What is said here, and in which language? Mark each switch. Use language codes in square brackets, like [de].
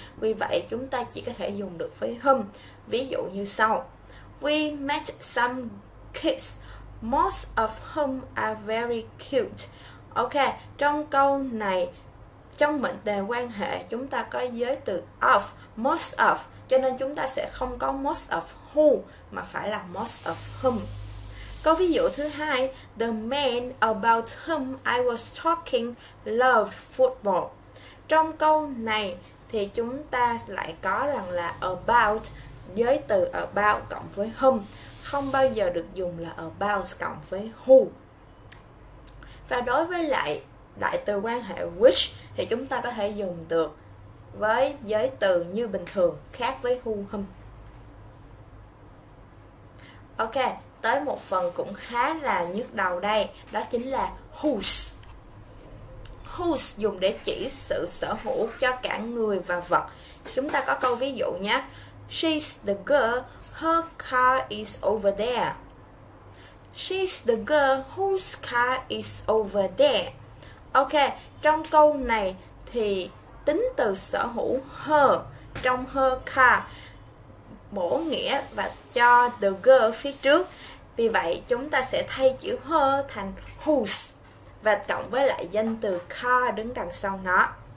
[vi] Vì vậy chúng ta chỉ có thể dùng được với whom. Ví dụ như sau: [en] We met some kids, most of whom are very cute. [vi] Ok, trong câu này, trong mệnh đề quan hệ chúng ta có giới từ of, most of, cho nên chúng ta sẽ không có most of who mà phải là most of whom. Câu ví dụ thứ hai: [en] The man about whom I was talking loved football. [vi] Trong câu này thì chúng ta lại có rằng là about, giới từ about cộng với whom, không bao giờ được dùng là about cộng với who. Và đối với lại đại từ quan hệ which thì chúng ta có thể dùng được với giới từ như bình thường, khác với who, whom. Ok, tới một phần cũng khá là nhức đầu đây, đó chính là whose. Whose dùng để chỉ sự sở hữu cho cả người và vật. Chúng ta có câu ví dụ nhé: [en] She's the girl, her car is over there. She's the girl whose car is over there. [vi] Ok, trong câu này thì tính từ sở hữu her trong her car bổ nghĩa và cho the girl phía trước. Vì vậy chúng ta sẽ thay chữ her thành whose và cộng với lại danh từ car đứng đằng sau nó.